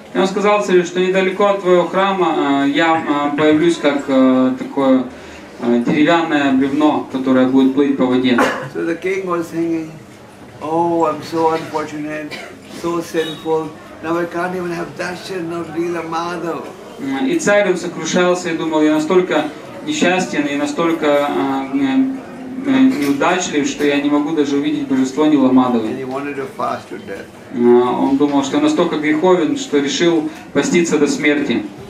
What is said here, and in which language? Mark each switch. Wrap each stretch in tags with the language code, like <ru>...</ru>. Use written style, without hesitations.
<ru>Он сказал царю, что недалеко от твоего храма я появлюсь как такое деревянное бревно, которое будет плыть по воде.</ru> <en>So the king was thinking, oh, I'm so unfortunate, so sinful. Now I can't even have darshan of Lila Madhav.</en> <ru>И царь сокрушался и думал, я настолько несчастен и настолько неудачлив, что я не могу даже увидеть божество Ниламадхавы. Он думал, что настолько греховен, что решил поститься до смерти.</ru>